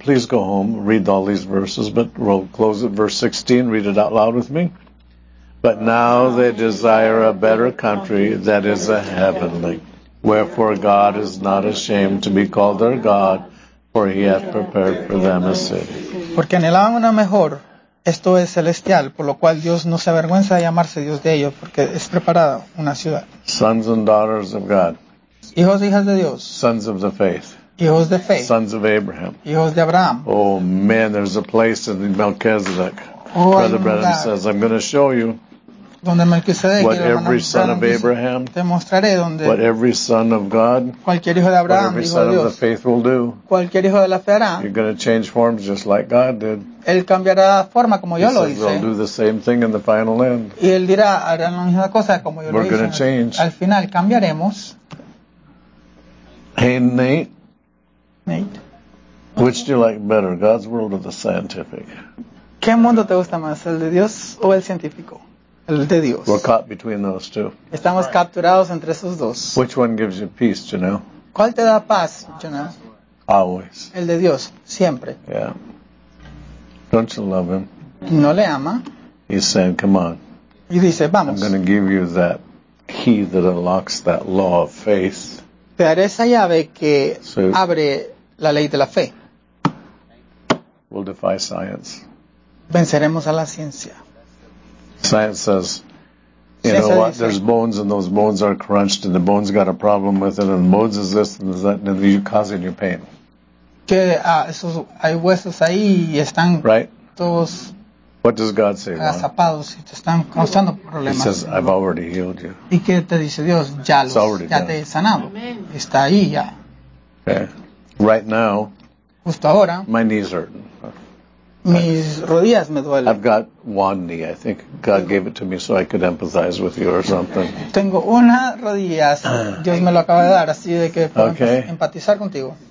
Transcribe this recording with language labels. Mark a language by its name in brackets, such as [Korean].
[English] Please go home, read all these verses, but we'll close at verse 16. Read it out loud with me. But now they desire a better country that is a heavenly. Wherefore God is not ashamed to be called their God, for he hath prepared for them a city. [Spanish] Porque anhelaban una mejor, esto es celestial, por lo cual Dios no se avergüenza de llamarse Dios de ellos, porque es preparada una ciudad. [English] Sons and daughters of God. [Spanish] Hijos e hijas de Dios. [English] Sons of the faith. [Spanish] Hijos de fe. [English] Sons of Abraham. [Spanish] Hijos de Abraham. [English] Oh man, there's a place in Melchizedek. [Spanish] Oh, [English] Brother Branham says, I'm going to show you [Spanish] donde Melchizedek, [English] what every son of Abraham, [Spanish] te mostraré donde [English] what every son of God, [Spanish] cualquier hijo de Abraham, [English] what every son [Spanish] Dios, [English] of the faith will do. [Spanish] Cualquier hijo de la fe hará. [English] You're going to change forms just like God did. [Spanish] Él cambiará forma como yo [English] he [Spanish] lo hice. [English] He'll do the same thing in the final end. [Spanish] Y él dirá, harán la misma cosa como yo [English] We're [Spanish] lo hice. [English] We're going to change. [Spanish] Al final cambiaremos. [English] Hey, Nate. [Spanish] Nate. [English] Which do you like better, God's world or the scientific? [Spanish] ¿Qué mundo te gusta más, el de Dios o el científico? El de Dios. [English] We're caught between those two. [Spanish] Estamos [English] right. [Spanish] capturados entre esos dos. [English] Which one gives you peace, you know? [Spanish] ¿Cuál te da paz, [English] you know? Always. [Spanish] El de Dios, siempre. [English] Yeah. Don't you love him? [Spanish] ¿No le ama? [English] He's saying, come on. [Spanish] Y dice, vamos. [English] I'm going to give you that key that unlocks that law of faith. [Spanish] Te daré esa llave que abre la ley de la fe. [English] We'll defy science. [Spanish] Venceremos a la ciencia. [English] Science says, you know what, there's bones and those bones are crunched and the bones got a problem with it and bones is this and is that and you're causing your pain. [Spanish] que esos hay huesos ahí y están todos. [English] What does God say? [Spanish] Agazapados y te están causando problemas. [English] He says, I've already healed you. [Spanish] ¿Y qué te dice Dios? Ya los, ya te he sanado. [English] Amen. [Spanish] Está ahí ya. [English] Okay. Right now. [Spanish] Justo ahora. [English] My knees hurt. [Spanish] Mis rodillas me duelen. [English] I've got one knee. I think God gave it to me so I could empathize with you or something. [Spanish] Tengo una rodilla. Dios me lo acaba de dar así de que puedo empatizar contigo.